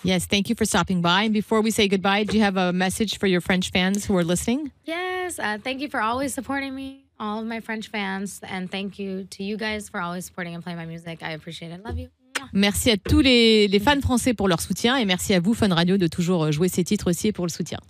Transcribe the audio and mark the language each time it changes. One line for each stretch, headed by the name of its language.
English: Yes, thank you for stopping by. And before we say goodbye, do you have a message for your French fans who are listening? Yes, thank you for always supporting me, all of my French fans. And thank you to you guys for always supporting and playing my music. I appreciate it. Love you.
French: Merci à tous les fans français pour leur soutien et merci à vous, Fun Radio, de toujours jouer ces titres aussi et pour le soutien.